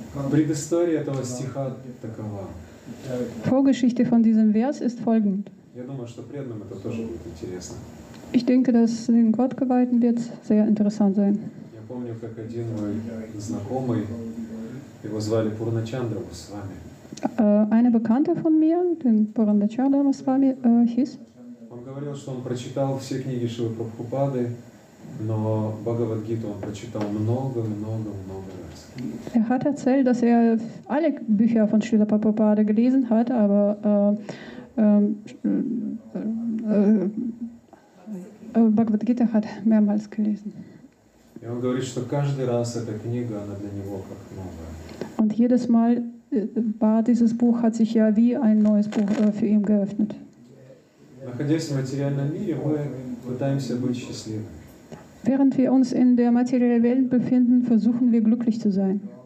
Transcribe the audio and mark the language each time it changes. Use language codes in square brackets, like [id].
[ru] Предыстория этого стиха такова. [de] Vorgeschichte von diesem Vers ist folgend. [ru] Я думаю, что преданным это тоже будет интересно. [de] Ich denke, dass den Gottgeweihten wird sehr interessant sein. [ru] Я помню, как один мой знакомый, его звали Пурначандра Госвами. [de] Eine Bekannte von mir, den Пурначандра Госвами hieß. [ru] Он говорил, что он прочитал все книги Шрилы Прабхупады, но Бхагавад-гиту он прочитал много раз. [de] Er hat erzählt, dass er alle Bücher von Srila Prabhupada gelesen hat, aber Bhagavad Gita hat mehrmals gelesen. [ru] И он говорит, что каждый раз эта книга, она для него как новая. [de] Und jedes Mal war dieses Buch, hat sich ja wie ein neues Buch für ihn geöffnet. [ru] Находясь в материальном мире, мы пытаемся быть счастливыми. [de] Während wir uns in der materiellen Welt befinden, versuchen wir glücklich zu sein.